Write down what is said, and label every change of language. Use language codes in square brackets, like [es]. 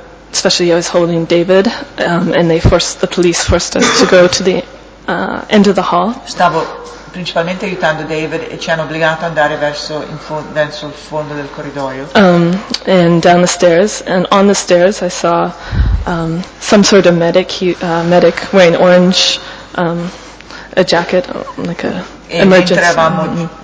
[en] Especially I was holding David, and the police forced us to go to the end of the hall. [it] Stavo principalmente aiutando David e ci hanno obbligato ad andare verso il fondo del corridoio. [en] And down the stairs, and on the stairs I saw some sort of medic, medic wearing orange, a jacket, like a emergency.